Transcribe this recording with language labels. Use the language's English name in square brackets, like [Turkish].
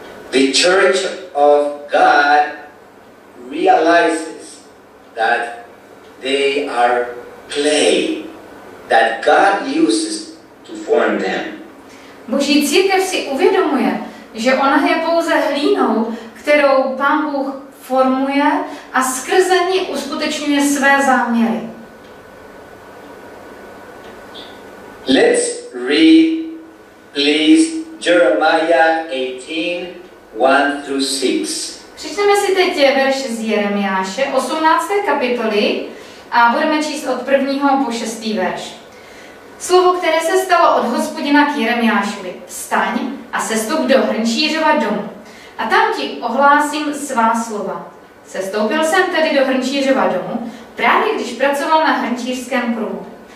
[English] The Church of God realizes that they are clay that God uses to form them. [Czech] Boží církev si uvědomuje, že ona je pouze hlínou, kterou Pán Bůh formuje a skrze ní uskutečňuje své záměry. [English] Let's read, please, Jeremiah 18:1-6. [Czech] Přečteme si teď verš z Jeremiáše, 18. kapitoly, a budeme číst od 1. po 6. verš. Slovo, které se stalo od Hospodina k Jeremiášovi. Vstaň a sestup do hrnčířova domu. A tam ti ohlásím svá slova. Sestoupil jsem tedy do hrnčířova domu, právě když pracoval na hrnčířském kruhu.